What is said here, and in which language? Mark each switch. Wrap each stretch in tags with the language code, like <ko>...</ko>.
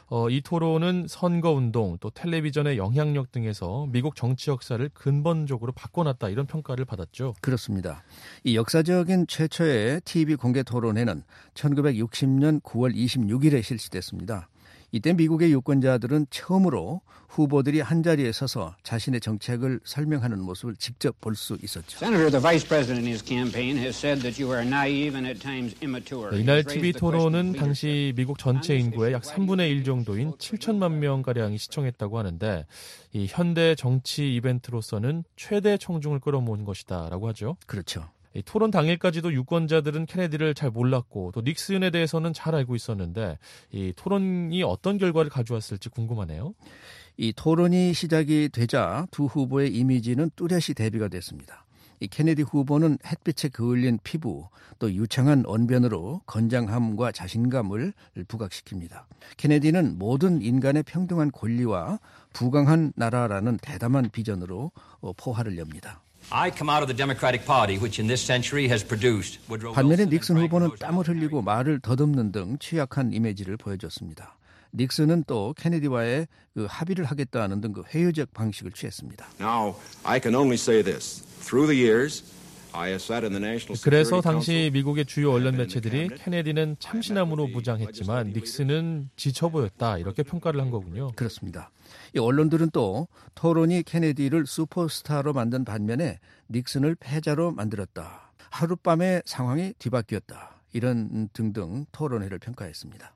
<ko>이 토론은 선거운동, 또 텔레비전의 영향력 등에서 미국 정치 역사를 근본적으로 바꿔놨다 이런 평가를 받았죠. 그렇습니다. 이 역사적인 최초의 TV 공개 토론회는 1960년 9월 26일에 실시됐습니다. 이때 미국의 유권자들은 처음으로 후보들이 한자리에 서서 자신의 정책을 설명하는 모습을 직접 볼 수 있었죠.</ko> <en>Senator, the vice president in his campaign has said that you are naive and at times immature.</en> <ko>이날 TV 토론은 당시 미국 전체 인구의 약 3분의 1 정도인 7천만 명가량이 시청했다고 하는데 이 현대 정치 이벤트로서는 최대 청중을 끌어모은 것이다 라고 하죠. 그렇죠. 이 토론 당일까지도 유권자들은 케네디를 잘 몰랐고 또 닉슨에 대해서는 잘 알고 있었는데 이 토론이 어떤 결과를 가져왔을지 궁금하네요. 이 토론이 시작이 되자 두 후보의 이미지는 뚜렷이 대비가 됐습니다. 이 케네디 후보는 햇빛에 그을린 피부 또 유창한 언변으로 건장함과 자신감을 부각시킵니다. 케네디는 모든 인간의 평등한 권리와 부강한 나라라는 대담한 비전으로 포화를 엽니다.</ko> <en>I come out of the Democratic Party, which in this century has produced Woodrow Wilson.</en> <ko>반면에 닉슨 후보는 땀을 흘리고 말을 더듬는 등 취약한 이미지를 보여줬습니다. 닉슨은 또 케네디와의 그 합의를 하겠다는 등 그 회유적 방식을 취했습니다.</ko> <en>Now I can only say this. Through the years, I have sat in the National Security.</en> <ko>그래서 당시 미국의 주요 언론 매체들이 케네디는 참신함으로 무장했지만 닉슨은 지쳐 보였다 이렇게 평가를 한 거군요. 그렇습니다. 이 언론들은 또 토론이 케네디를 슈퍼스타로 만든 반면에 닉슨을 패자로 만들었다. 하룻밤에 상황이 뒤바뀌었다. 이런 등등 토론회를 평가했습니다.</ko>